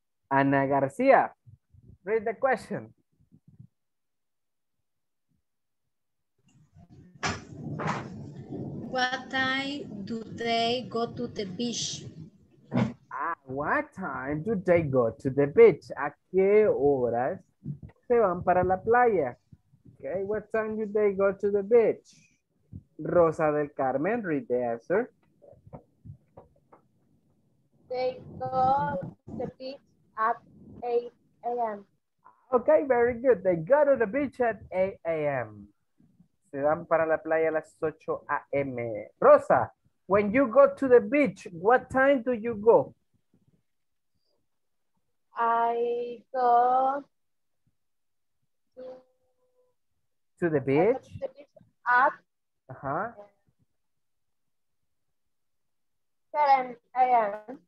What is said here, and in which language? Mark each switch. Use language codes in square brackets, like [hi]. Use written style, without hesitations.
[en] Ana Garcia, read the question. What time do they go to the beach? What time do they go to the beach? [es] ¿A qué horas se van para la playa? [en] Okay, what time do they go to the beach? Rosa del Carmen, read the answer. They go to the beach at 8 a.m. Okay, very good. They go to the beach at 8 a.m. [es] Se dan para la playa a las 8 a.m. [en] Rosa, when you go to the beach, what time do you go? I go to the beach. At 7 a.m.